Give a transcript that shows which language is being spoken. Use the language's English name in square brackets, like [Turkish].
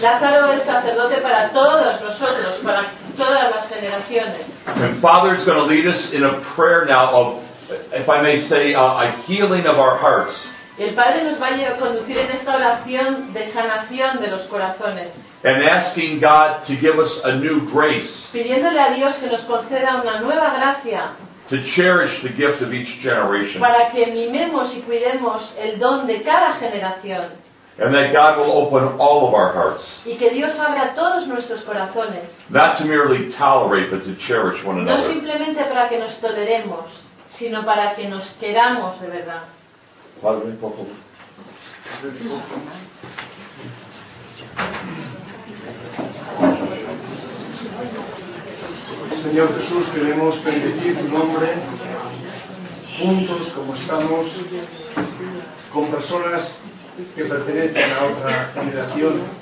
[Spanish] Lázaro es sacerdote para todos nosotros, para todas las generaciones. [English] And Father is going to lead us in a prayer now of, if I may say, a healing of our hearts. [Spanish] El Padre nos va a conducir en esta oración de sanación de los corazones. [English] And asking God to give us a new grace. [Spanish] Pidiéndole a Dios que nos conceda una nueva gracia. [English] To cherish the gift of each generation. [Spanish] Para que mimemos y cuidemos el don de cada generación. [English] And that God will open all of our hearts. [Spanish] Y que Dios abra todos nuestros corazones. [English] Not to merely tolerate, but to cherish one another. [Spanish] No simplemente para que nos toleremos, sino para que nos queramos de verdad. Padre, un poco. Señor Jesús, queremos bendecir tu nombre, juntos como estamos, con personas que pertenecen a otra generación.